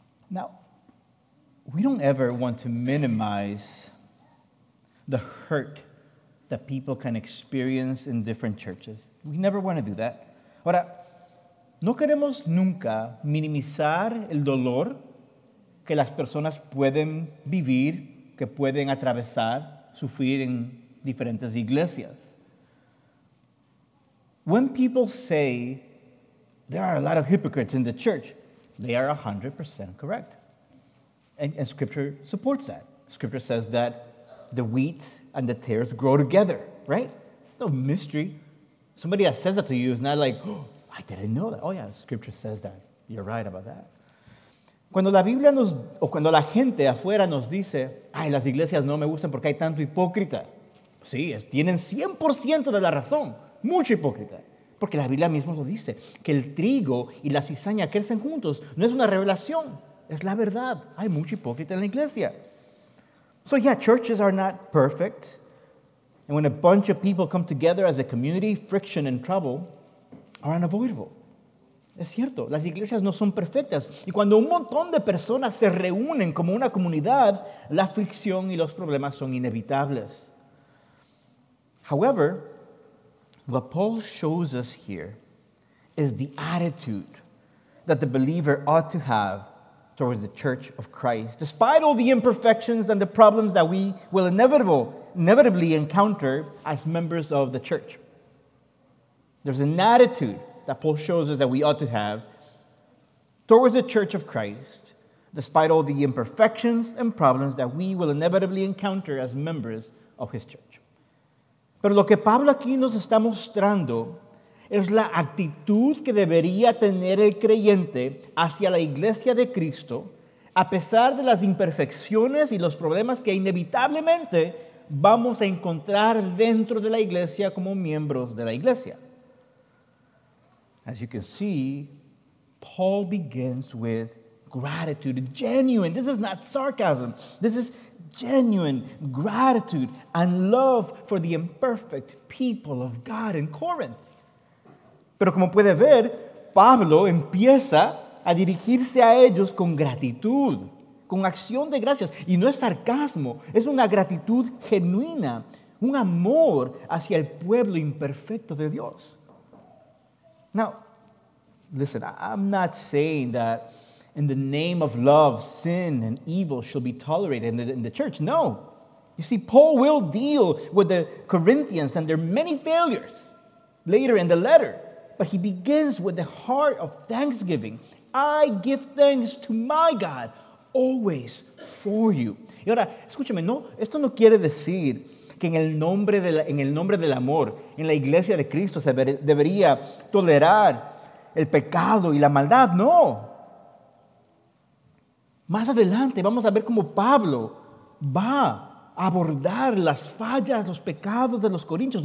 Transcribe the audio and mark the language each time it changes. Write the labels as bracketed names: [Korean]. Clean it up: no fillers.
[English] Now, we don't ever want to minimize the hurt that people can experience in different churches. We never want to do that. [Spanish] Ahora, no queremos nunca minimizar el dolor que las personas pueden vivir, que pueden atravesar, sufrir en diferentes iglesias. [English] When people say there are a lot of hypocrites in the church, they are 100% correct. And Scripture supports that. Scripture says that the wheat and the tares grow together, right? It's no mystery. Somebody that says that to you is not like, oh, I didn't know that. Oh yeah, Scripture says that. You're right about that. [Spanish] Cuando la Biblia nos, o cuando la gente afuera nos dice, ay, las iglesias no me gustan porque hay tanto hipócrita. Sí, tienen 100% de la razón. Mucho hipócrita. Porque la Biblia misma lo dice, que el trigo y la cizaña crecen juntos. No es una revelación, es la verdad. Hay mucho hipócrita en la iglesia. [English] So yeah, churches are not perfect. And when a bunch of people come together as a community, friction and trouble are unavoidable. [Spanish] Es cierto, las iglesias no son perfectas. Y cuando un montón de personas se reúnen como una comunidad, la fricción y los problemas son inevitables. [English] However, what Paul shows us here is the attitude that the believer ought to have towards the church of Christ. Despite all the imperfections and the problems that we will inevitably encounter as members of the church, there's an attitude that Paul shows us that we ought to have towards the church of Christ, despite all the imperfections and problems that we will inevitably encounter as members of his church. [Spanish] Pero lo que Pablo aquí nos está mostrando es la actitud que debería tener el creyente hacia la iglesia de Cristo, a pesar de las imperfecciones y los problemas que inevitablemente vamos a encontrar dentro de la iglesia como miembros de la iglesia. [English] As you can see, Paul begins with gratitude, genuine. This is not sarcasm. This is genuine gratitude and love for the imperfect people of God in Corinth. [Spanish] Pero como puede ver, Pablo empieza a dirigirse a ellos con gratitud, con acción de gracias. Y no es sarcasmo, es una gratitud genuina, un amor hacia el pueblo imperfecto de Dios. [English] Now, listen, I'm not saying that in the name of love, sin and evil shall be tolerated in the church. No. You see, Paul will deal with the Corinthians and their many failures later in the letter. But he begins with the heart of thanksgiving. I give thanks to my God always for you. [Spanish] Y ahora, escúchame, no, esto no quiere decir que en el nombre del amor, en la iglesia de Cristo, se debería tolerar el pecado y la maldad. No. Más adelante vamos a ver cómo Pablo va a abordar las fallas, los pecados de los corintios.